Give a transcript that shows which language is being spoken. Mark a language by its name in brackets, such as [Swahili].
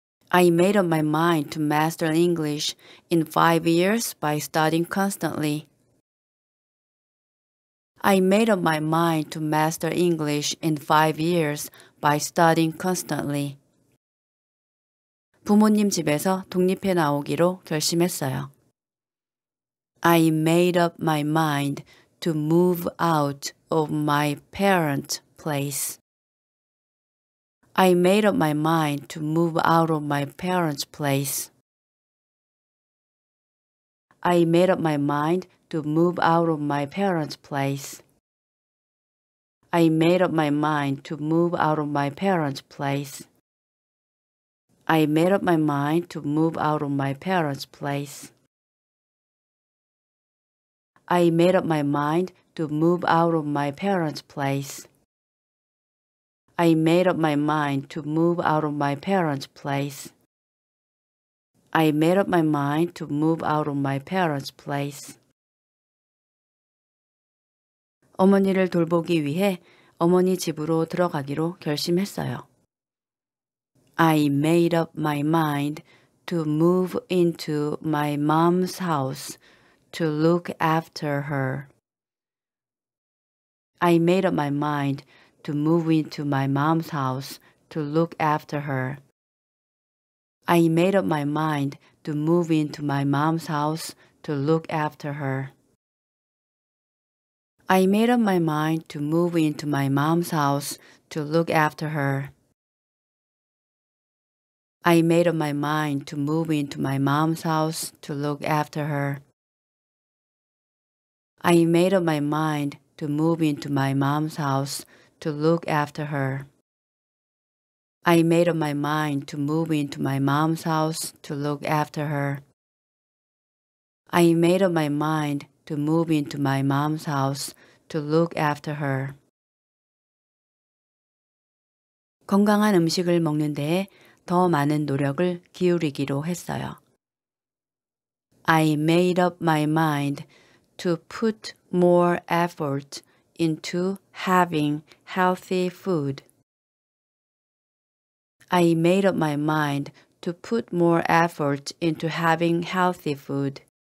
[English] I made up my mind to master English in 5 years by studying constantly. I made up my mind to master English in 5 years by studying constantly. [Korean] 부모님 집에서 독립해 나오기로 결심했어요. [English] I made up my mind to move out of my parents' place. I made up my mind to move out of my parents' place. I made up my mind to move out of my parents' place. I made up my mind to move out of my parents' place. I made up my mind to move out of my parents' place. I made up my mind to move out of my parents' place. I made up my mind to move out of my parents' place. I made up my mind to move out of my parents' place. [Korean] 어머니를 돌보기 위해 어머니 집으로 들어가기로 결심했어요. [English] I made up my mind to move into my mom's house to look after her. I made up my mind to move into my mom's house to look after her. I made up my mind to move into my mom's house to look after her. I made up my mind to move into my mom's house to look after her. I made up my mind to move into my mom's house to look after her. I made up my mind to move into my mom's house to look after her. I made up my mind to move into my mom's house to look after her. I made up my mind to move into my mom's house to look after her. [Korean] 건강한 음식을 먹는 데에 더 많은 노력을 기울이기로 했어요. [English] I made up my mind to put more effort into having healthy food. I made up my mind to put more effort into having healthy food.